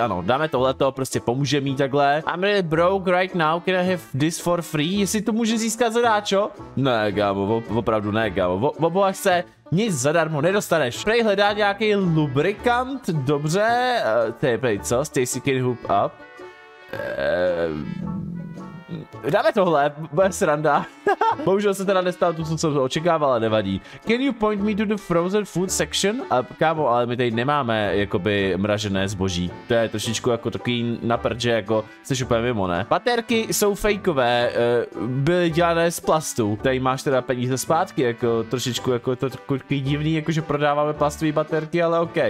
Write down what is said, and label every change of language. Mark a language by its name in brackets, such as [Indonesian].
[Czech] Ano, dáme tohleto, prostě pomůže mi takhle. [English] I'm really broke right now, can I have this for free? [Czech] Jestli to může získat zadáčo? Ne, gámo, opravdu ne, gámo. Obohaš se, nic zadarmo nedostaneš. Prej hledá nějaký lubrikant, dobře. Prej, co? [English] Stacy can hoop up. [Czech] Dáme tohle, bude sranda. Bohužel se teda nestalo to, co jsem očekával, ale nevadí. [English] Can you point me to the frozen food section? [Czech] Kámo, ale my tady nemáme jakoby mražené zboží. To je trošičku jako takový naprd, že jako seš úplně mimo, ne? Baterky jsou fejkové, byly dělané z plastu. Tady máš teda peníze zpátky, jako trošičku jako to takový divný, jakože prodáváme plastové baterky, ale ok.